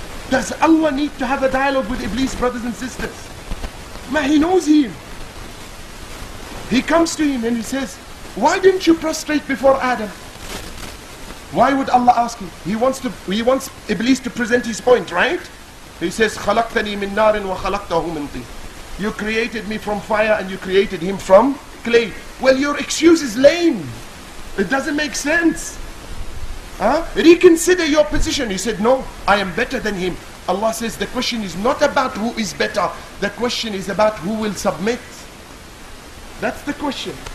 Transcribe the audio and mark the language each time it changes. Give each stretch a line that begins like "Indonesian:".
English: Does Allah need to have a dialogue with Iblis, brothers and sisters? Man, he knows him. He comes to him and he says, why didn't you prostrate before Adam? Why would Allah ask him? He wants Iblis to present his point, right? He says,
Arabic: خَلَقْتَنِي مِن نَارٍ وَخَلَقْتَهُ مِن طِينٍ.
English: You created me from fire and you created him from clay. Well, your excuse is lame. It doesn't make sense. Reconsider your position. He said, no, I am better than him. Allah says, the question is not about who is better. The question is about who will submit. That's the question.